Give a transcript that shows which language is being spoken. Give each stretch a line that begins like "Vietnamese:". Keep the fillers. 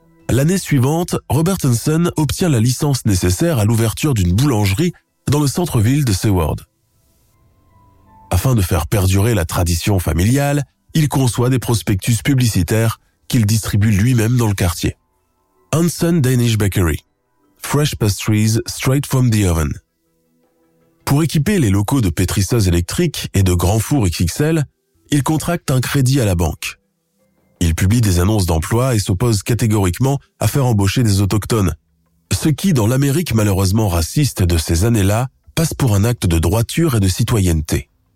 French: L'année suivante, Robert Hansen obtient la licence nécessaire à l'ouverture d'une boulangerie dans le centre-ville de Seward. Afin de faire perdurer la tradition familiale, il conçoit des prospectus publicitaires qu'il distribue lui-même dans le quartier.
English: Hansen Danish Bakery. Fresh pastries straight from the oven.
French: Pour équiper les locaux de pétrisseuses électriques et de grands fours XXL, il contracte un crédit à la banque. Il publie des annonces d'emploi et s'oppose catégoriquement à faire embaucher des autochtones. Ce qui, dans l'Amérique malheureusement raciste de ces années-là, passe pour un acte de droiture et de citoyenneté.